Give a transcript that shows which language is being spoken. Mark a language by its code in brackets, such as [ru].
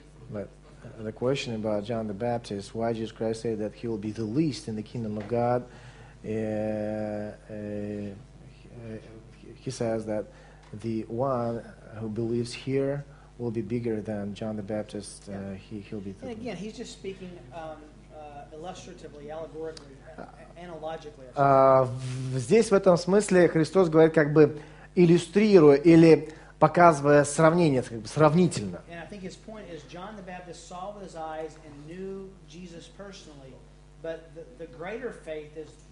[en] But the question about John the Baptist, why Jesus Christ say that he will be the least in the kingdom of God, he says that the one who believes here will be bigger than John the Baptist. Yeah. He'll be. And again, he's just speaking illustratively, allegorically, analogically. [ru] Здесь в этом смысле Христос говорит как бы иллюстрируя или показывая сравнение, как бы сравнительно. [en] And I think his point is John the Baptist saw with his eyes and knew Jesus personally, but the greater faith is.